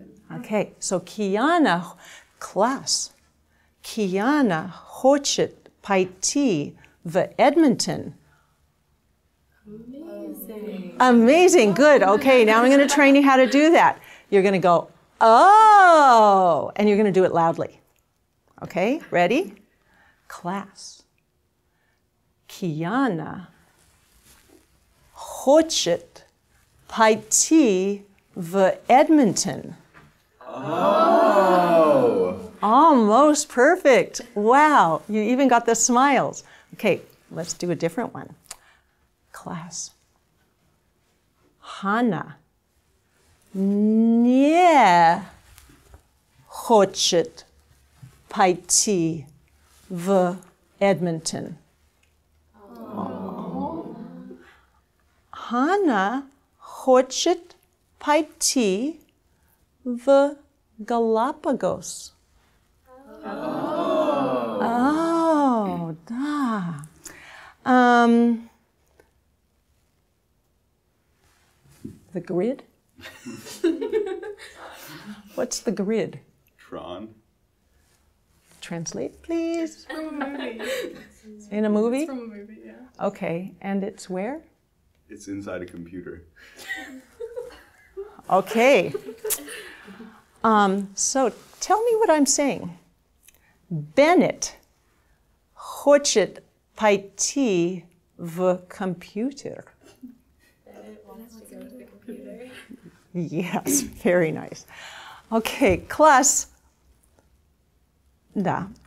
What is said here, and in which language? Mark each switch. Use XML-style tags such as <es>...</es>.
<en>Okay, so Kiana, class, Kiana</en> <ru>хочет пойти в</ru> <en>Edmonton. Amazing, good. Okay, now I'm going to train you how to do that. You're going to go, oh, and you're going to do it loudly. Okay, ready? Class.</en> <ru>Kiana хочет пойти в Edmonton. Oh!</ru> <en>Almost perfect. Wow, you even got the smiles. Okay, let's do a different one. Class.</en> <ru>Hana не хочет пойти в Edmonton. Hana хочет пойти в Галапагос.</ru> <en>The grid? What's the grid? Tron. Translate, please. It's from a movie. In a movie? It's from a movie, yeah. Okay, and it's where? It's inside a computer. Okay. So tell me what I'm saying.</en> <ru>Bennett хочет пойти в компьютер.</ru> <en>Yes, very nice. Okay, class.</en> <ru>Да.</ru>